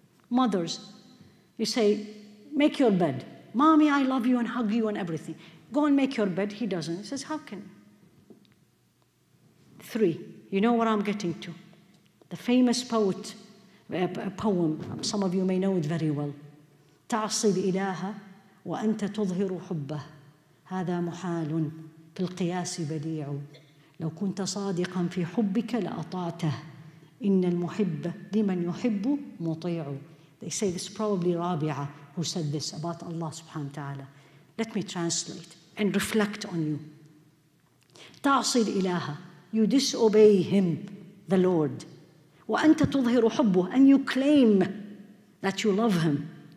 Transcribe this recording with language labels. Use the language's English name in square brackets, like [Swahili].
[English] Mothers, you say, make your bed. Mommy, I love you and hug you and everything. Go and make your bed. He doesn't. He says, how can? Three, you know what I'm getting to. The famous poet, a poem, some of you may know it very well. [Arabic] تعصي الإله وأنت تظهر حبه هذا محال في القياس بديع لو كنت صادقا في حبك لأطعته إن المحب لمن يحب مطيع. [English] They say this probably Rabi'ah who said this about Allah subhanahu wa ta'ala. Let me translate and reflect on you. [Arabic] تعصي الإله, [English] you disobey him, the Lord. [Arabic] وأنت تظهر حبه, [English] and you claim that you love him.